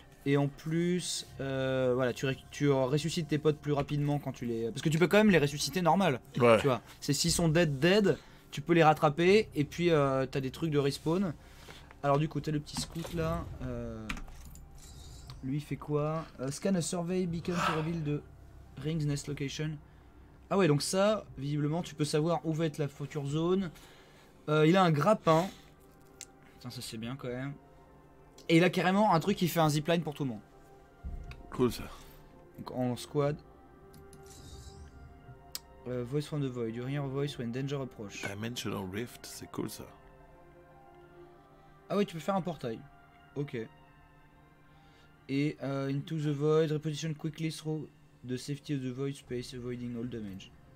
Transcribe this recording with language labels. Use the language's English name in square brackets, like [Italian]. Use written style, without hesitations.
[French] Et en plus, voilà, tu ressuscites tes potes plus rapidement quand tu les... Parce que tu peux quand même les ressusciter normal, ouais. Tu vois. C'est s'ils sont dead, tu peux les rattraper, et puis t'as des trucs de respawn. Alors du coup, t'as le petit scout là. Lui fait quoi? [English] Scan a survey beacon to reveal the ring's nest location. [French] Ah ouais, donc ça, visiblement, tu peux savoir où va être la future zone. Il a un grappin. Putain, ça c'est bien quand même. Et il a carrément un truc qui fait un zipline pour tout le monde. Cool ça. Donc en squad. [English] Voice from the void, you hear a voice when danger approach. [French] Dimensional rift, c'est cool ça. Ah ouais, tu peux faire un portail. Ok. Et [English] into the void, reposition quickly through the safety of the void space, avoiding all damage.